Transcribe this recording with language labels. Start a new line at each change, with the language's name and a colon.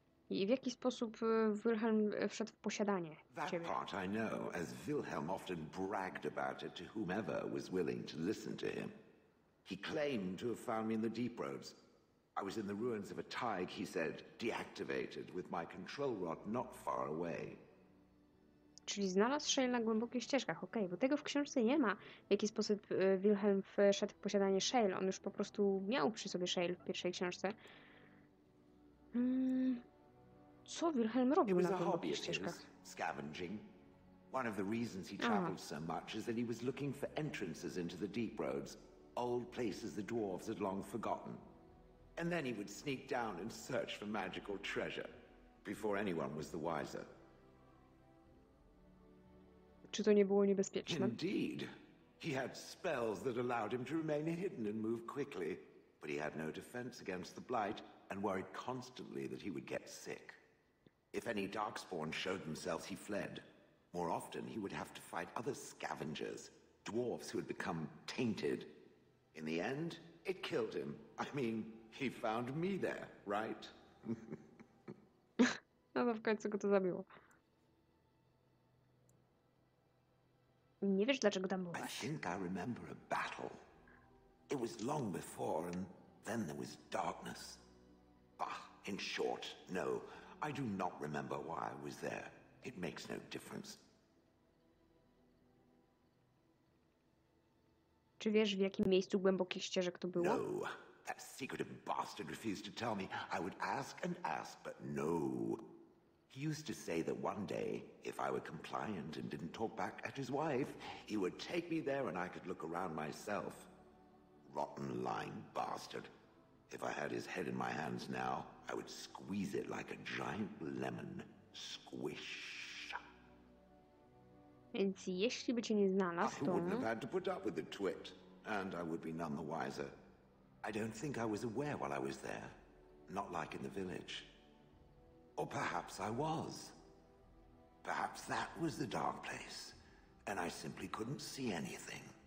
Polish: I w jaki sposób Wilhelm wszedł w posiadanie ciebie?
English: That part I know, as Wilhelm often bragged about it to whomever was willing to listen to him. He claimed to have found me in the deep roads. I was in the ruins of a tig, he said, deactivated, with my control rod not far away.
Polish: Czyli znalazł Shale na głębokich ścieżkach, okej, bo tego w książce nie ma, w jaki sposób Wilhelm wszedł w posiadanie Shale. On już po prostu miał przy sobie Shale w pierwszej książce. Co Wilhelm robił na głębokich ścieżkach?
English: Scavenging. One of the reasons he traveled so much is that he was looking for entrances into the deep roads, old places the dwarves had long forgotten. And then he would sneak down and search for magical treasure before anyone was the wiser.
Polish: Czy to nie było niebezpieczne?
English: Indeed. He had spells that allowed him to remain hidden and move quickly, but he had no defense against the blight and worried constantly that he would get sick. If any darkspawn showed themselves, he fled. More often, he would have to fight other scavengers, dwarves who had become tainted. In the end, it killed him. I mean, he found me there, right?
Polish: No to w końcu go to zabiło. Nie wiesz, dlaczego tam byłaś?
English: I think I remember a battle. It was long before, and then there was darkness. Ah, in short, no. I do not remember why I was there. It makes no difference.
Polish: Czy wiesz, w jakim miejscu głębokich ścieżek to było?
English: No. That secretive bastard refused to tell me. I would ask and ask, but no. He used to say that one day, if I were compliant and didn't talk back at his wife, he would take me there and I could look around myself. Rotten, lying bastard. If I had his head in my hands now, I would squeeze it like a giant lemon. Squish.
Polish: Więc jeśli by cię nie znalazł, to...
English: I wouldn't have had to put up with the twit, and I would be none the wiser. I don't think I was aware while I was there. Not like in the village. Or perhaps I was. Perhaps that was the dark place, and I simply couldn't see anything.